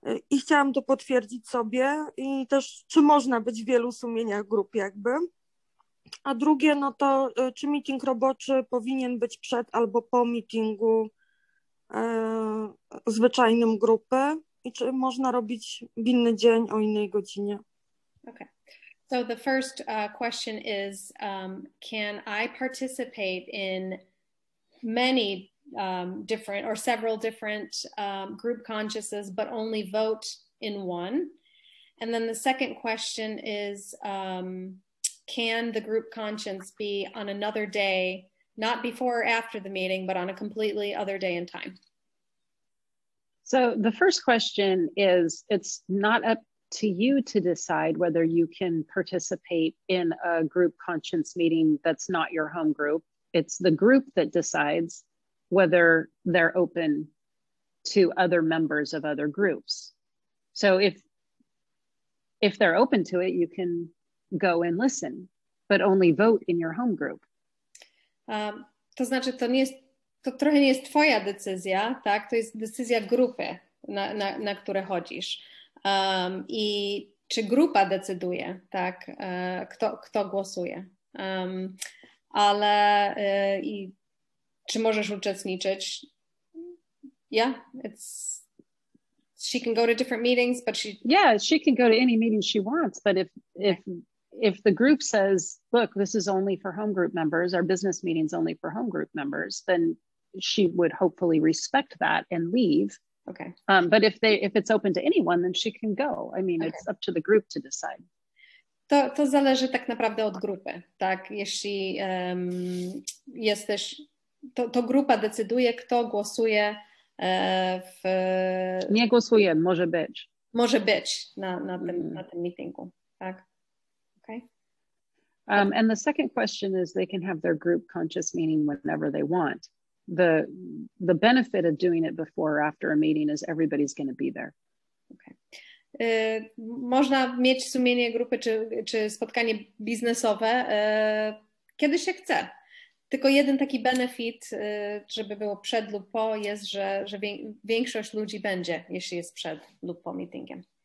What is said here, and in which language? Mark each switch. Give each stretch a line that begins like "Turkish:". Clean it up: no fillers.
Polish: I chciałam to potwierdzić sobie i też, czy można być w wielu sumieniach grup jakby. A drugie, no to czy meeting roboczy powinien być przed albo po meetingu zwyczajnym grupy i czy można robić w inny dzień o innej godzinie?
English: Okay. So the first question is, can I participate in many different or several different group consciousnesses, but only vote in one? And then the second question is, can the group conscience be on another day, not before or after the meeting, but on a completely other day and time? So the first question is, it's not up to you to decide whether you can participate in a group conscience meeting that's not your home group. It's the group that decides whether they're open to other members of other groups. So if they're open to it, you can go and listen, but only vote in your home group.
Polish: To znaczy, to nie jest, to trochę nie jest twoja decyzja, tak? To jest decyzja grupy, na które chodzisz. I czy grupa decyduje, tak? Kto głosuje? Ale i czy możesz uczestniczyć?
English: Yeah, it's... She can go to different meetings, but she... Yeah, she can go to any meeting she wants, but if the group says, look, this is only for home group members, our business meeting's only for home group members, then she would hopefully respect that and leave. Okay. But if it's open to anyone, then she can go. I mean, okay. It's up to the group to decide.
Polish: To zależy tak naprawdę od grupy, tak? Jeśli jesteś, to grupa decyduje, kto głosuje w... Nie głosuje, może być. Może być na tym meetingu, tak?
English: And the second question is, they can have their group conscious meeting whenever they want. The benefit of doing it before or after a meeting is everybody's going to be there. Okay.
Polish: Można mieć sumienie grupy czy spotkanie biznesowe, kiedy się chce. Tylko jeden taki benefit, żeby było przed lub po, jest, że większość ludzi będzie, jeśli jest przed lub po meetingiem.